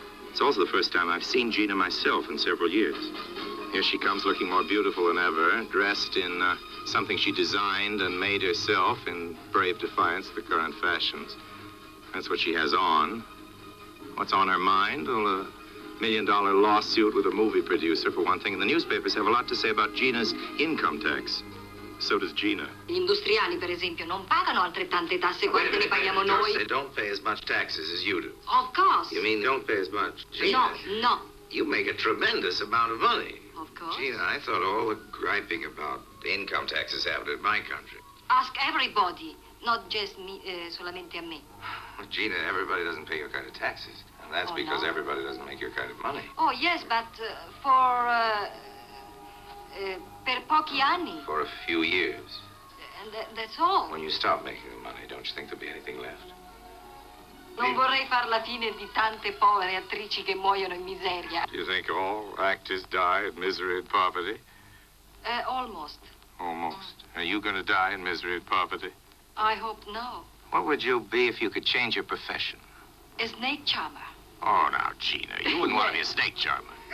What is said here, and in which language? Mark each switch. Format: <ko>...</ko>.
<en>It's also the first time I've seen Gina myself in several years. Here she comes looking more beautiful than ever, dressed in something she designed and made herself in brave defiance of the current fashions. That's what she has on. What's on her mind? Well, a million-dollar lawsuit with a movie producer, for one thing. And the newspapers have a lot to say about Gina's income tax. So does Gina.</en> <it>Gli industriali, per esempio, non pagano altrettante tasse quante ne paghiamo noi.</it> <en>Of course, they don't pay as much taxes as you do. Of course. You mean they don't pay as much? Gina. No, no. You make a tremendous amount of money. Of course. Gina, I thought all the griping about income taxes happened in my country. Ask everybody. Not just me,</en> <it>solamente a me.</it> <en>Well, Gina, everybody doesn't pay your kind of taxes. And that's because everybody doesn't make your kind of money. Oh, yes, but</en> <it>per pochi anni.</it> <en>For a few years. That's all. When you stop making the money, don't you think there'll be anything left?</en> <it>Non vorrei far la fine di tante povere attrici che muoiono in miseria.</it> <en>Do you think all actors die in misery and poverty? Almost. Almost. Are you going to die in misery and poverty? I hope no. What would you be if you could change your profession? A snake charmer. Oh, now, Gina, you wouldn't want to be a snake charmer.</en>